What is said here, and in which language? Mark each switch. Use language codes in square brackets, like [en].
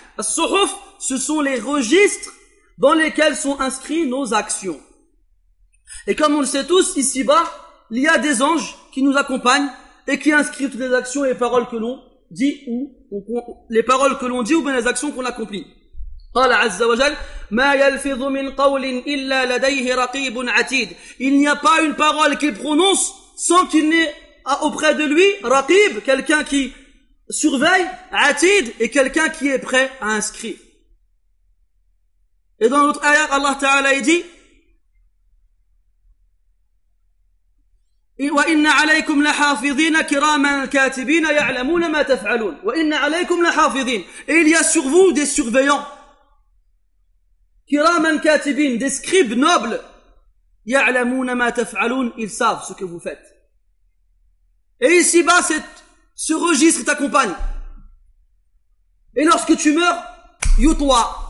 [fr] الصُّحُف, ce sont les registres dans lesquels sont inscrits nos actions. Et comme on le sait tous, ici-bas, il y a des anges qui nous accompagnent et qui inscrivent toutes les actions et les paroles que l'on dit ou les paroles que l'on dit ou bien les actions qu'on accomplit. [ar] قال عز وجل ما يلفظ من قول إلا لديه رقيب عتيد. [fr] Il n'y a pas une parole qu'il prononce sans qu'il n'ait auprès de lui رقيب, quelqu'un qui surveille, عتيد, et quelqu'un qui est prêt à inscrire. Et dans l'autre ayat, Allah Ta'ala dit [ar] وَإِنَّ عَلَيْكُمْ لَحَافِظِينَ كِرَامًا كَاتِبِينَ يَعْلَمُونَ مَا تَفْعَلُونَ وَإِنَّ عَلَيْكُمْ لَحَافِظِينَ. [fr] Et il y a sur vous des surveillants, [ar] kiraman katibin, [fr] des scribes nobles, [ar] ya'lamuna ma taf'alun, [fr] ils savent ce que vous faites. Et ici-bas, ce registre t'accompagne. Et lorsque tu meurs, yutwa.